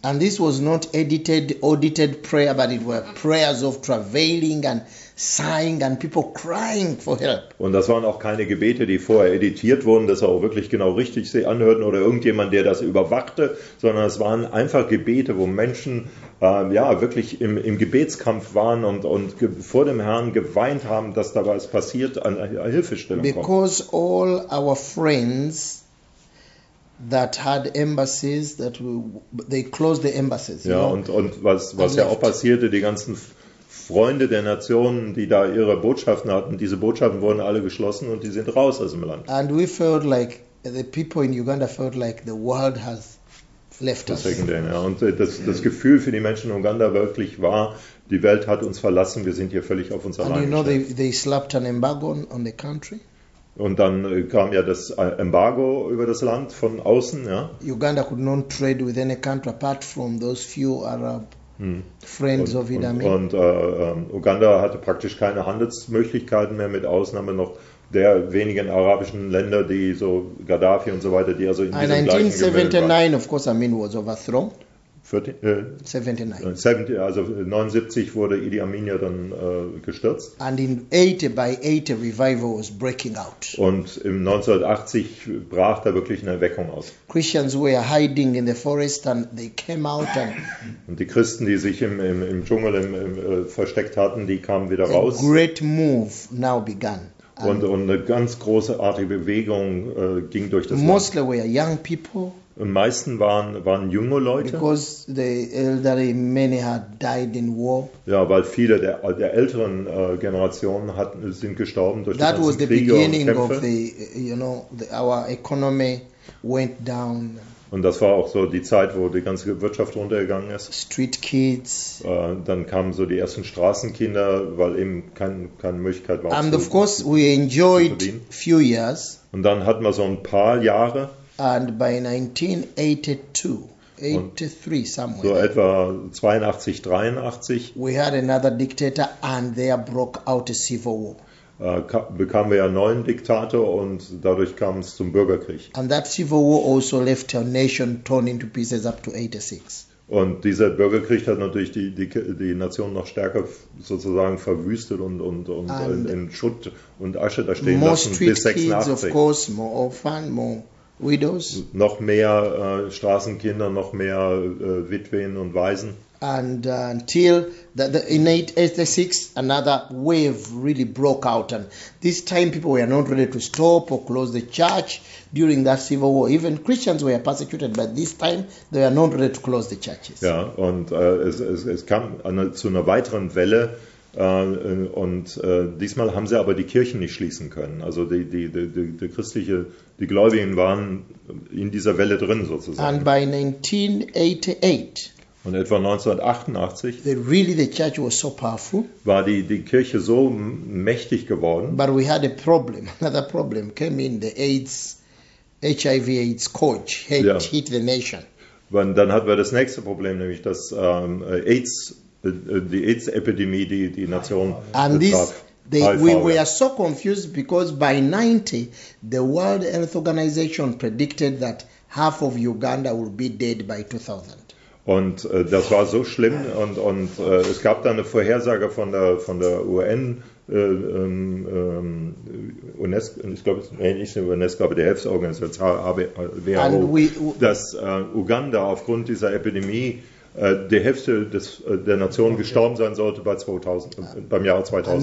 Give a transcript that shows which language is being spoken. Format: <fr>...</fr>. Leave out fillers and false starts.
<en>And this was not edited, audited prayer, but it were prayers of travailing and sighing and people crying for help.</en> <de>Und das waren auch keine Gebete, die vorher editiert wurden, dass auch wirklich genau richtig sie anhörten oder irgendjemand, der das überwachte, sondern es waren einfach Gebete, wo Menschen wirklich im Gebetskampf waren und vor dem Herrn geweint haben, dass da was passiert, an Hilfestellung kommt.</de> <en>Because all our friends that had embassies, that they closed the embassies.</en> <de>Ja, und was ja auch passierte, die ganzen Freunde der Nationen, die da ihre Botschaften hatten, diese Botschaften wurden alle geschlossen und die sind raus aus dem Land.</de> <en>And we felt like the people in Uganda felt like the world has left us.</en> <de>Und das Gefühl für die Menschen in Uganda wirklich war, die Welt hat uns verlassen, wir sind hier völlig auf uns allein.</de> <en>And you know they slapped an embargo on the country.</en> <de>Und dann kam ja das Embargo über das Land von außen, ja.</de> <en>Uganda could not trade with any country apart from those few Arab friends of Idi Amin.</en> <de>Und Uganda hatte praktisch keine Handelsmöglichkeiten mehr, mit Ausnahme noch der wenigen arabischen Länder, die so Gaddafi und so weiter, die also in diesem gleichen Gewinn waren.</de> <en>1979, of course, Amin was overthrown.</en> <de>79. Also 79 wurde Idi Amin ja dann gestürzt.</de> <en>And in 80 by 80 revival was breaking out.</en> <de>Und im 1980 brach da wirklich eine Erweckung aus.</de> <en>Christians were hiding in the forest and they came out and</en> <de>und die Christen, die sich im Dschungel versteckt hatten, die kamen wieder</de> <en>a</en> <de>raus.</de> <en>Great move now began.</en> <de>Und eine ganz großartige Bewegung ging durch das</de> <en>mostly</en> <de>Land.</de> <en>Mostly were young people.</en> <de>Und meisten waren junge Leute.</de> <en>Because the elderly many had died in war.</en> <de>Ja, weil viele der älteren Generationen sind gestorben durch</de> <en>that That was the beginning of the, you know, our economy went down.</en> <de>Und das war auch so die Zeit, wo die ganze Wirtschaft runtergegangen ist.</de> <en>Street kids.</en> <de>Dann kamen so die ersten Straßenkinder, weil eben keine Möglichkeit war.</de> <en>And of course we enjoyed few years.</en> <de>Und dann hatten wir so ein paar Jahre.</de> <en>And by 1982, 83, we had another dictator and there broke out a civil war.</en> <de>Bekamen wir ja einen neuen Diktator und dadurch kam es zum Bürgerkrieg.</de> <en>And that civil war also left our nation torn into pieces up to 86.</en> <de>Und dieser Bürgerkrieg hat natürlich die Nation noch stärker sozusagen verwüstet und in Schutt und Asche da stehen lassen bis 86.</de> <en>Most street kids, of course, more often, more widows.</en> <de>Noch mehr Straßenkinder, noch mehr Witwen und Waisen.</de> <en>And until in 1986, another wave really broke out. And this time people were not ready to stop or close the church during that civil war. Even Christians were persecuted, but this time they were not ready to close the churches.</en> <de>Ja, und es kam zu einer weiteren Welle. Und diesmal haben sie aber die Kirchen nicht schließen können. Also die christliche, die Gläubigen waren in dieser Welle drin sozusagen.</de> <en>And by 1988,</en> <de>und etwa 1988</de> <en>the church was so powerful,</en> <de>war die Kirche so mächtig geworden.</de> <en>But we had a problem. Another problem came in the AIDS, HIV AIDS coach hit the nation.</en> <de>Und dann hatten wir das nächste Problem, nämlich dass AIDS, die AIDS-Epidemie, die Nation betraf.</de> <en>We are so confused because by 90 the World Health Organization predicted that half of Uganda will be dead by 2000.</en> <de>Und das war so schlimm und es gab da eine Vorhersage von der UN, UNESCO, ich glaube, nicht nur UNESCO, aber der Hilfsorganisation, WHO, dass Uganda aufgrund dieser Epidemie die Hälfte der Nation gestorben sein sollte bei 2000, beim Jahr 2000.</de>